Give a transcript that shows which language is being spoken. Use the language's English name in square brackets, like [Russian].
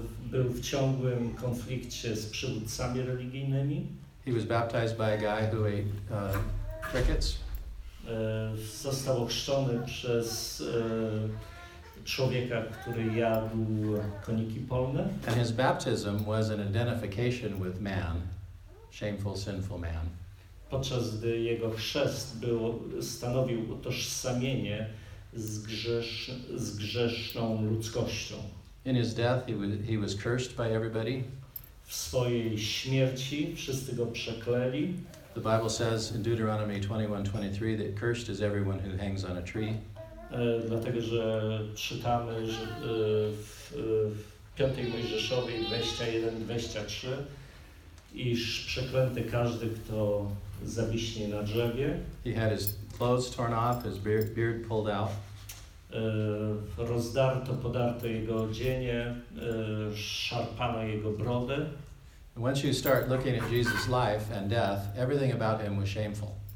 [Polish] Był w ciągłym konflikcie z przywódcami religijnymi. [English] He was baptized by a guy who ate crickets. [Polish] Został ochrzczony przez człowieka, który jadł koniki polne. [English] And his baptism was an identification with man, shameful, sinful man. [Polish] Podczas gdy jego chrzest stanowił utożsamienie z grzeszną ludzkością. [English] In his death, he was cursed by everybody. [Polish] W swojej śmierci wszyscy go przekleli. [English] The Bible says in Deuteronomy 21:23 that cursed is everyone who hangs on a tree. [Polish] Dlatego, że czytamy, że w 5 Mojżeszowej 21:23, iż przeklęty każdy, kto zawiśnie na drzewie. [English] He had his clothes torn off, his beard pulled out. [Polish] Rozdarto, podarto jego odzienie, szarpano jego brodę. [English] Once you start looking at Jesus' life and death, everything about him was shameful.